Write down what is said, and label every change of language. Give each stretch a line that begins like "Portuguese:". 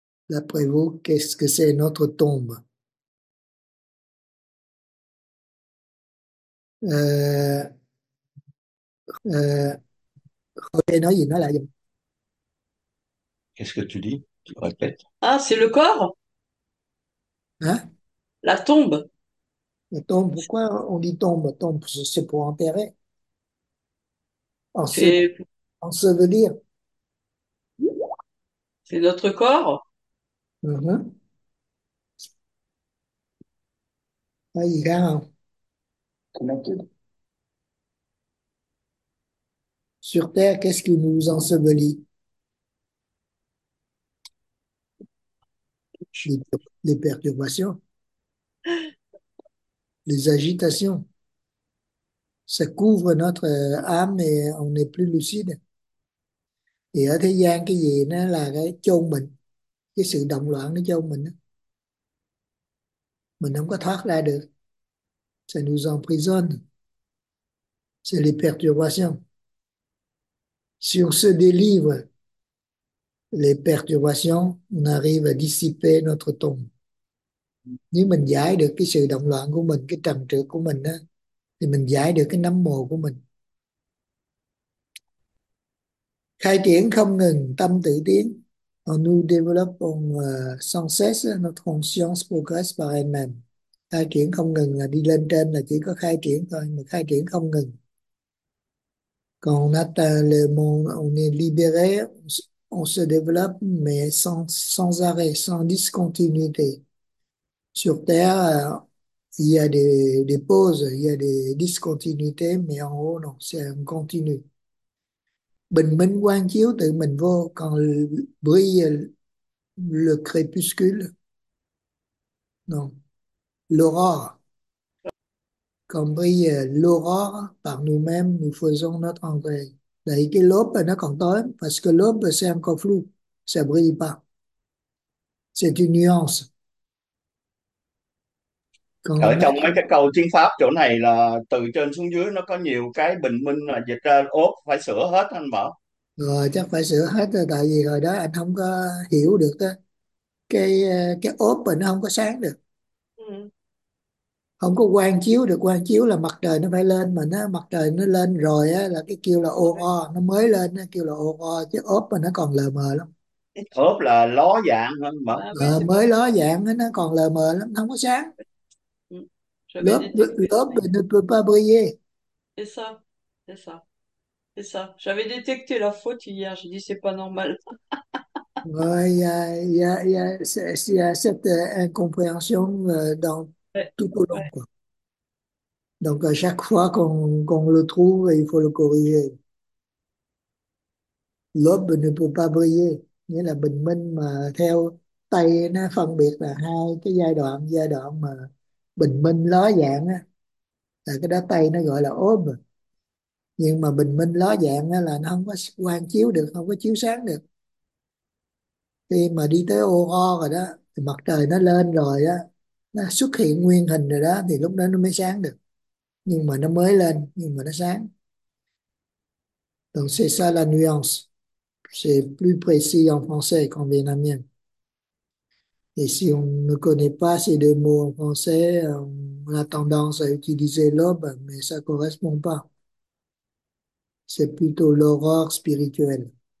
French: D'après vous, qu'est-ce que c'est notre tombe?
Vietnamese: Nói gì, nói lại giùm.
French: Qu'est-ce que tu dis? Tu répètes? Ah, c'est le corps? Hein? La tombe? La tombe, pourquoi on dit tombe? Tombe, c'est pour enterrer. Ensevelir. C'est notre corps?
Vietnamese: Có gì khác không?
English: Connected.
French: Sur Terre, qu'est-ce qui nous ensevelit? Les perturbations, les agitations. Ça couvre notre âme et on n'est plus lucide.
Vietnamese: Et ở thế gian cái gì nó là cái chôn mình, cái sự động loạn nó chôn mình đó. Mình không có thoát ra được.
French: Ça nous emprisonne. C'est les perturbations. Si on se délivre les perturbations, on arrive à dissiper notre tombe.
Vietnamese: Nếu mình giải được cái sự động loạn của mình, cái trần trược của mình á, thì mình giải được cái nấm mồ của mình. Khai triển không ngừng tâm tự tiến.
French: On nous développons sans cesse notre conscience progresse par elle-même.
Vietnamese: Khai triển không ngừng là đi lên trên, là chỉ có khai triển thôi, mà khai triển không ngừng.
French: Còn on atteint le monde, on est libéré, on se développe, mais sans arrêt, sans discontinuité. Sur Terre, il y a des pauses, il y a des discontinuités, mais en haut, non, c'est un continu.
Vietnamese: Bình minh quang chiếu tự mình vô,
French: quand brille le crépuscule, non, l'aurore. Quand brille l'aurore par nous-mêmes, nous faisons notre entrée.
Vietnamese: Đấy, cái lốp nó còn tối,
French: parce que lốp c'est encore flou, ça brille pas. C'est une nuance.
Vietnamese: Còn Ở mấy trong mấy cái câu tiếng Pháp chỗ này là từ trên xuống dưới nó có nhiều cái bình minh là dịch ra ốp phải sửa hết anh bảo. rồi chắc phải sửa hết rồi, tại vì rồi đó anh không có hiểu được đó. Cái ốp mình nó không có sáng được, không có quang chiếu được. Quang chiếu là mặt trời nó phải lên, mà nó mặt trời nó lên rồi á là cái kêu là ô o, nó mới lên nó kêu là ô o, chứ ốp mà nó còn lờ mờ lắm. Ló dạng hơn mở À, mới ló dạng nó còn lờ mờ lắm, không có sáng. Lớp
French: J'avais lớp ne peut pas briller. détecté. C'est ça. C'est ça. J'avais détecté la faute hier. J'ai dit, c'est pas normal. Rồi, il y a cette incompréhension dans tout au long, quoi. Donc, à chaque fois qu'on le trouve, il faut le corriger. L'aube ne peut pas briller.
Vietnamese: Nghĩa là bình minh mà theo Tây nó phân biệt là hai cái giai đoạn mà bình minh ló dạng á, là cái đó Tây nó gọi là ốm. Nhưng mà bình minh ló dạng á, là nó không có quang chiếu được, không có chiếu sáng được. Khi mà đi tới ô o rồi đó, thì mặt trời nó lên rồi á, nó xuất hiện nguyên hình rồi đó, thì lúc đó nó mới sáng được. Nhưng mà nó mới lên, nhưng mà nó sáng.
French: Donc c'est ça la nuance. C'est plus précis en français qu'en vietnamien. Et si on ne connaît pas ces deux mots en français, on a tendance à utiliser l'aube, mais ça ne correspond pas. C'est plutôt l'aurore spirituelle.